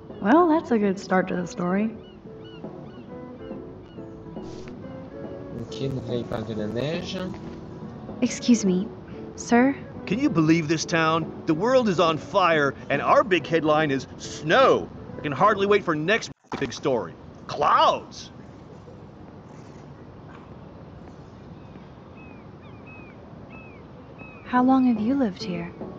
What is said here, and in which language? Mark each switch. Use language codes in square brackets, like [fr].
[en] Well, that's a good start to the story. [fr] Ok, donc là il parle de la neige. [en] Excuse me, sir? Can you believe this town? The world is on fire, and our big headline is snow. I can hardly wait for next big story. Clouds! How long have you lived here?